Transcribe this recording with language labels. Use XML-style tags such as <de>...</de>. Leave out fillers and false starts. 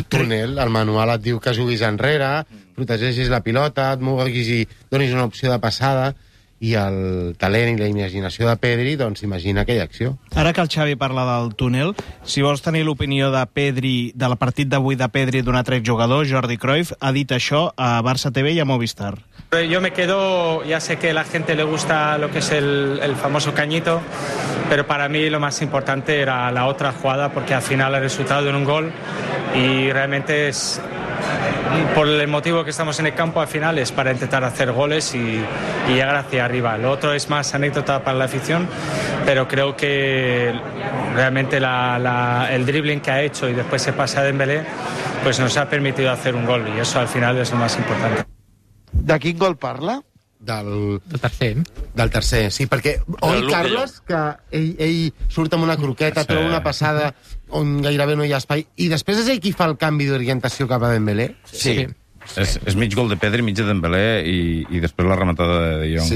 <ca>El túnel, el manual et diu que juguis enrere, protegeixis la pilota, et moguis i donis una opció de passada, i el talent i la imaginació de Pedri, doncs imagina aquella acció. Ara que el Xavi parla del túnel, si vols tenir l'opinió de Pedri, del partit d'avui de Pedri d'un altre jugador, Jordi Cruyff, ha dit això a Barça TV i a Movistar.</ca> <es>Yo me quedo, ya sé que a la gente le gusta lo que es el famoso cañito, pero para mí lo más importante era la otra jugada, porque al final ha resultado en un gol y realmente es por el motivo que estamos en el campo, al final es para intentar hacer goles y llegar hacia arriba. Lo otro es más anécdota para la afición, pero creo que realmente el dribbling que ha hecho y después se pasa a Dembélé, pues nos ha permitido hacer un gol y eso al final es lo más importante.</es> <ca>De quin gol parla? Del tercer. Del tercer, sí, perquè oi, Carles, que ell surt amb una croqueta, treu una passada on gairebé no hi ha espai, i després és ell qui fa el canvi d'orientació cap a Dembélé? Sí. És mig gol de Pedri, mig de Dembélé, i després la rematada de Jong.</ca>